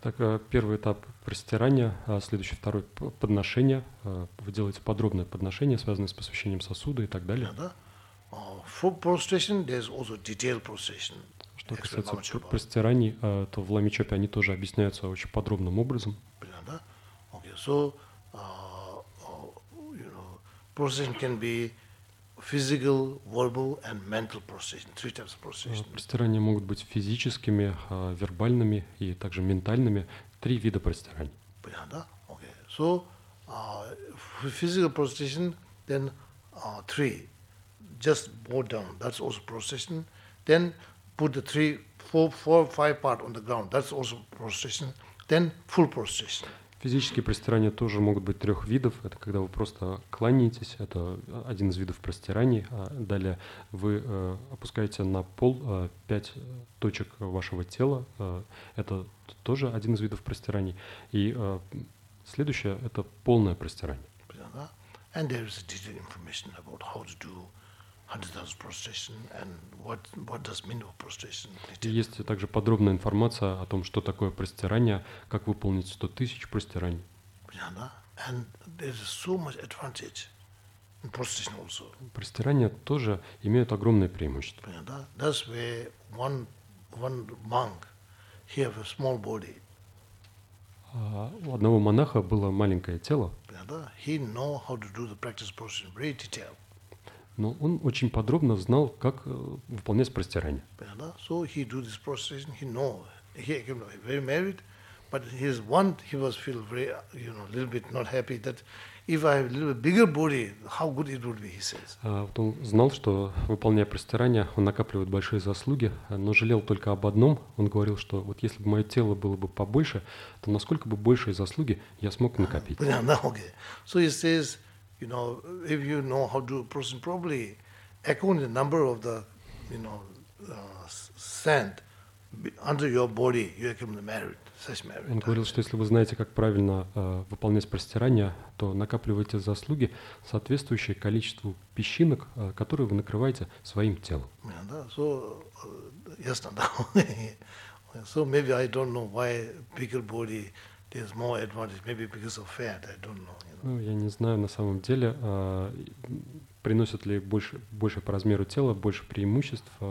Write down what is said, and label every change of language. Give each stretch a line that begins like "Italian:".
Russian: Так, первый этап простирания, следующий, второй подношение. Вы делаете подробное подношение, связанное с посвящением сосуда и так далее.
English: Yeah, да. For prostration, there's also detailed prostration.
Russian: Что касается простираний, то в Ламе Чопе они тоже объясняются очень подробным образом. Yeah, да.
English: Okay, so you know, prostration can be physical, verbal and mental prostration. Three types of prostration.
Russian: Простирания могут быть физическими, вербальными и также ментальными. Три вида простираний. Понятно, да?
English: Okay. So, physical prostration, then three. Just bow down. That's also prostration. Then put the three, four, five part on the ground. That's also prostration. Then full prostration.
Russian: Физические простирания тоже могут быть трех видов. Это когда вы просто кланяетесь, это один из видов простираний. Далее вы опускаете на пол пять точек вашего тела. Это тоже один из видов простираний. И следующее – это полное простирание.
English: And there is detailed information about how to do 100,000 prostration and what does mean of prostration.
Russian: Есть также подробная информация о том, что такое простирание, как выполнить 100,000 простираний. Понятно?
English: And there is so much advantage in prostration also.
Russian: Простирания тоже имеют огромное преимущество. Понятно?
English: That's where one monk, he have a small body.
Russian: У одного монаха было маленькое тело. Понятно?
English: He know how to do the practice prostration very detailed.
Russian: Но он очень подробно знал, как выполнять простирание.
English: Понятно? So he do this prostration, he know. He became very married, but his one, he was feel very, you know, a little bit not happy that if I have a little bigger body, how good it would be, he says.
Russian: Вот он знал, что выполняя простирание, он накапливает большие заслуги, но жалел только об одном. Он говорил, что вот если бы мое тело было бы побольше, то насколько бы большие заслуги я смог накопить. Понятно, okay.
English: So he says, you know, if you know how to do prostration properly, according to the number of the, you know, sand under your body, you accumulate merit, such merit.
Russian: Он говорил, что если вы знаете, как правильно выполнять простирание, то накапливаете заслуги, соответствующие количеству песчинок, которые вы накрываете своим телом. Yeah, да?
English: So, yes, no, so maybe I don't know why bigger body there's more advantage, maybe because of fat, I don't know.
Russian: Ну, я не знаю, на самом деле, приносят ли больше по размеру тела, больше преимуществ.